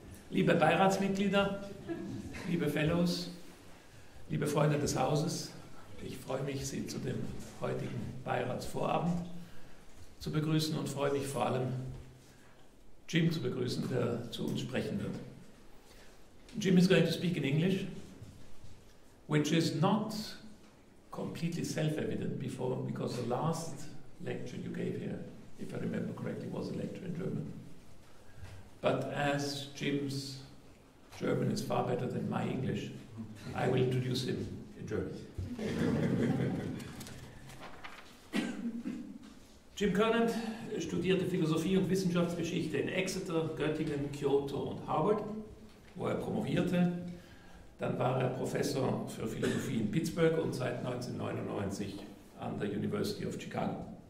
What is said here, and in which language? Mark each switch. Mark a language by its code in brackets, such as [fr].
[de] Liebe Beiratsmitglieder, liebe Fellows, liebe Freunde des Hauses, ich freue mich, Sie zu dem heutigen Beiratsvorabend zu begrüßen und freue mich vor allem, Jim zu begrüßen, der zu uns sprechen wird. [en] Jim is going to speak in English, which is not completely self-evident before, because the last lecture you gave here, if I remember correctly, was a lecture in German. But as Jim's German is far better than my English, I will introduce him in German. [de] Jim Conant studierte Philosophie und Wissenschaftsgeschichte in Exeter, Göttingen, Kyoto und Harvard, wo er promovierte. Dann war er Professor für Philosophie in Pittsburgh und seit 1999 an der University of Chicago.